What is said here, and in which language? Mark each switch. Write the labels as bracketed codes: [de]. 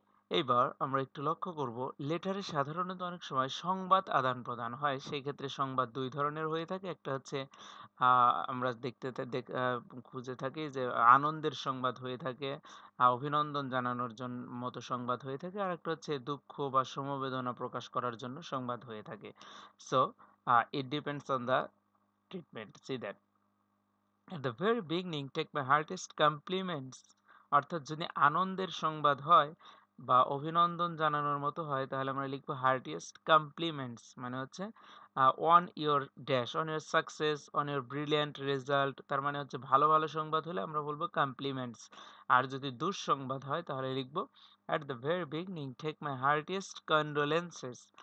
[bn] এইবার আমরা একটু লক্ষ্য করব লেটারে সাধারণত অনেক সময় সংবাদ আদান প্রদান হয় সেই ক্ষেত্রে সংবাদ দুই ধরনের হয়ে থাকে একটা হচ্ছে আমরা দেখতে খুঁজে থাকি যে আনন্দের সংবাদ হয়ে থাকে অভিনন্দন জানানোর জন্য মতো সংবাদ হয়ে থাকে আর একটা হচ্ছে দুঃখ বা সমবেদনা প্রকাশ করার জন্য সংবাদ হয়ে থাকে so [en] it depends on the treatment. See that. At the very beginning, take my heartiest compliments. [bn] অর্থাৎ যদি আনন্দের সংবাদ হয় বা অভিনন্দন জানানোর মতো হয় তাহলে আমরা লিখবো হার্টিয়েস্ট কমপ্লিমেন্টস মানে হচ্ছে [en] on your dash on your success on your brilliant result [bn] তার মানে হচ্ছে ভালো ভালো সংবাদ হলে আমরা বলবো কমপ্লিমেন্টস আর যদি দুঃসংবাদ হয় তাহলে লিখবো [en] at the very beginning take my heartiest condolences